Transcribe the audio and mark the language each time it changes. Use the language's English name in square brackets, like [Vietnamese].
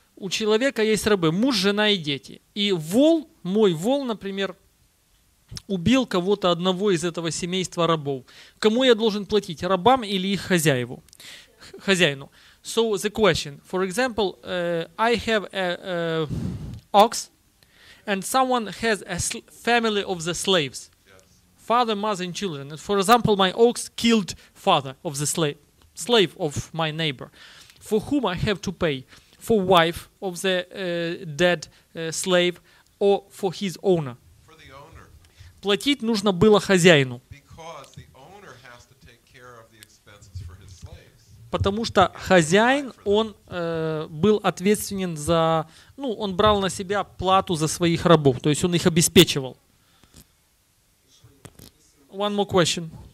[Russian] У человека есть рабы, муж, жена и дети. И вол, мой вол, например, убил кого-то одного из этого семейства рабов. Кому я должен платить, рабам или их хозяеву? Хозяину. [English] So the question, for example, I have an ox and someone has a family of the slaves. Father, mother and children. For example, my ox killed father of the slave of my neighbor. For whom I have to pay? For wife of the dead slave or for his owner? For the owner. [Russian] Платить нужно было хозяину. [English] Because the owner has to take care of the expenses for his slaves. [Russian] Потому что хозяин, он был ответственен за, ну, он брал на себя плату за своих рабов, то есть он их обеспечивал. [English] One more question.